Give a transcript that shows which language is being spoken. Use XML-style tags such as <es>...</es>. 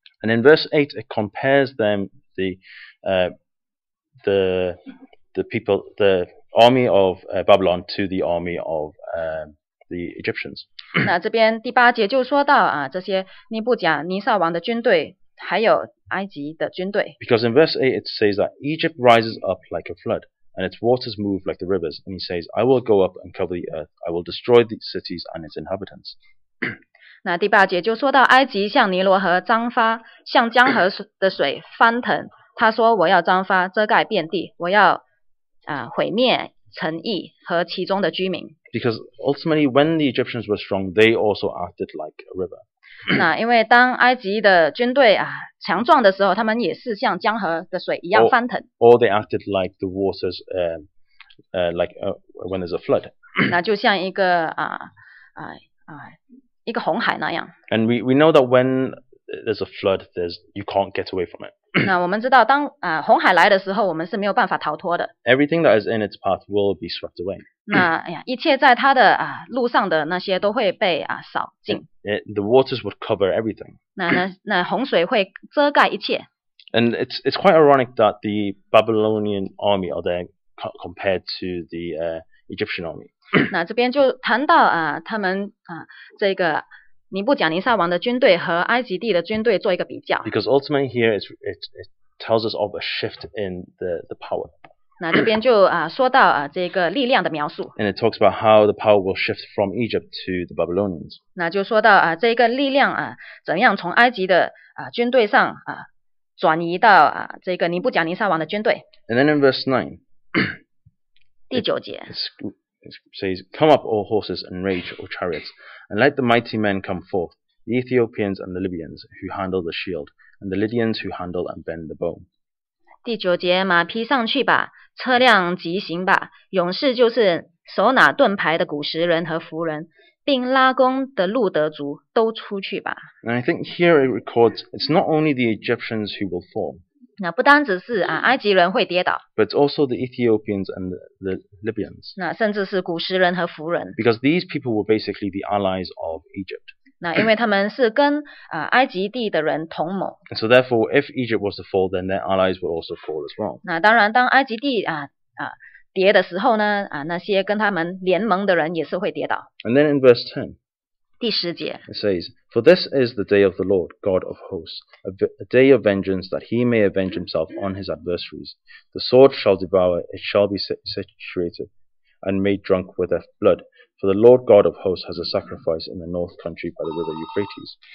<en>And in verse 8, it compares them the people the army of Babylon to the army of the Egyptians.</en> <zh>那这边第八节就说到啊，这些尼布甲尼撒王的军队，还有埃及的军队。</zh> <en>Because in verse 8 it says that Egypt rises up like a flood, and its waters move like the rivers. And he says, I will go up and cover the earth. I will destroy the cities and its inhabitants.</en> <zh>那第八节就说到埃及像尼罗河张发，像江河的水翻腾。他说我要张发遮盖遍地，我要毁灭城邑和其中的居民。</zh> <en>Because ultimately when the Egyptians were strong, they also acted like a river.</en> <zh>那因为当埃及的军队啊强壮的时候，他们也是像江河的水一样翻腾。</zh> <en>Or they acted like the waters, when there's a flood.</en> <zh>那就像一个一个红海那样。</zh> <en>And we know that when there's a flood, you can't get away from it.</en> <zh>那我们知道当红海来的时候，我们是没有办法逃脱的。</zh> <en>Everything that is in its path will be swept away.</en> <zh>那一切在它的路上的那些都会被扫净。</zh> <en>The waters would cover everything.</en> <zh>那洪水会遮盖一切。</zh> <en>And it's quite ironic that the Babylonian army are there compared to the Egyptian army.</en> <zh>那这边就谈到他们这个尼布甲尼撒王的军队和埃及地的军队做一个比较。</zh> <en>Because ultimately here it tells us of a shift in the power.</en> <zh>那这边就说到这个力量的描述。</zh> <en>And it talks about how the power will shift from Egypt to the Babylonians.</en> <zh>那就说到这个力量怎样从埃及的军队上转移到这个尼布甲尼撒王的军队。</zh> <en>And then in verse 9.</en> <zh>第九节。</zh> <en>It says, Come up, all horses, and rage, all chariots, and let the mighty men come forth, the Ethiopians and the Libyans, who handle the shield, and the Lydians, who handle and bend the bow.</en> <zh>第九节，马匹上去吧，车辆疾行吧，勇士就是手拿盾牌的古实人和弗人，并拉弓的路德族，都出去吧。</zh> <en>And I think here it records, it's not only the Egyptians who will fall.</en> <zh>那不单只是埃及人会跌倒。</zh> <en>But also the Ethiopians and the Libyans.</en> <zh>那甚至是古实人和弗人。</zh> <en>Because these people were basically the allies of Egypt.</en> <zh>那因为他们是跟埃及地的人同盟。</zh> <en>And so therefore, if Egypt was to fall, then their allies would also fall as well.</en> <zh>那当然当埃及地跌的时候呢那些跟他们联盟的人也是会跌倒。</zh> <en>And then in verse 10.</en> <zh>第十节。</zh> <en>It says,For this is the day of the Lord, God of hosts, a day of vengeance that he may avenge himself on his adversaries. The sword shall devour, it shall be saturated and made drunk with their blood. For the Lord God of hosts has a sacrifice in the north country by the river Euphrates.</en>